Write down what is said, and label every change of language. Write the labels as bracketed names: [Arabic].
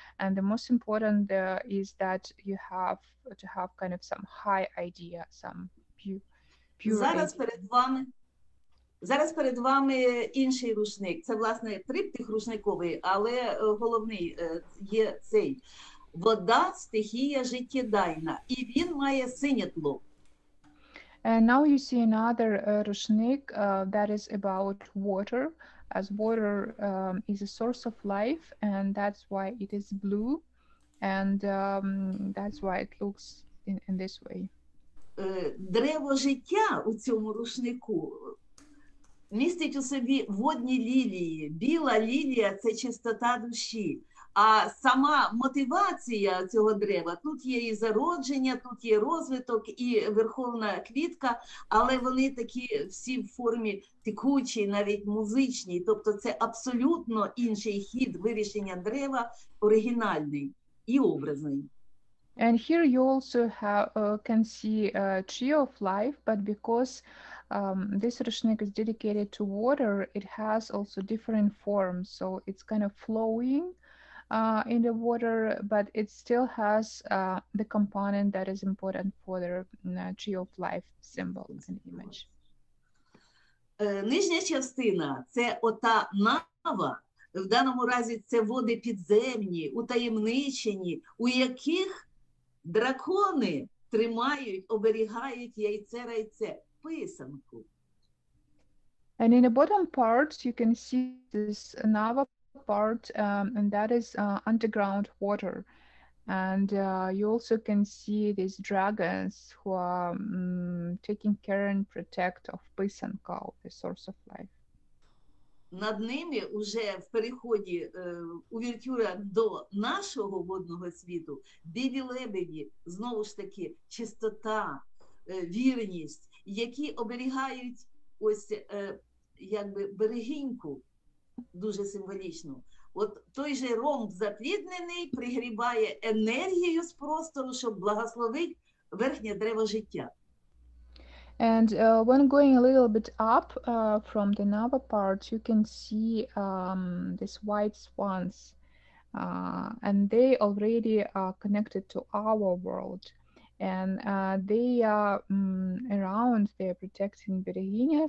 [English] And the most important is that you have to have kind of some high idea, some pure idea. [Ukrainian] Зараз перед вами інший рушник. Це, власне, триптих рушниковий, але головний є цей. Вода – стихія життєдайна. І він має синє тло. [English] And now you see another рушник that is about water, as water is a source of life, and that's why it is blue, and that's why it looks in this way. [Ukrainian] Древо життя у цьому рушнику – містить у собі водні лілії. Біла лілія – це чистота душі. А сама мотивація цього дерева – тут є і зародження, тут є розвиток, і верховна квітка, але вони такі всі в формі текучій, навіть музичній. Тобто це абсолютно інший хід вирішення дерева, оригінальний і образний. [English] And here you also can see a tree of life, but because this rushnik is dedicated to water, it has also different forms. So it's kind of flowing in the water, but it still has the component that is important for the tree of life symbol and image. [Ukrainian] Нижня частина – це ота нава. В даному разі це води підземні, утаємничені, у яких дракони тримають, оберігають яйце-райце. [English] And in the bottom part, you can see this Nava part, and that is underground water. And you also can see these dragons who are taking care and protect of Pysanko, the source of life. [Ukrainian] Над ними уже в переході увертюра до нашого водного світу білі лебеді, знову ж таки, чистота, вірність, які оберігають ось якби берегиньку дуже символічно. От той же ромб затвіднений пригрібає енергію з простору, щоб благословити верхнє древо життя. [English] And when going a little bit up from the Nava part, you can see these white swans, and they already are connected to our world. And they are around, they are protecting Bereginia.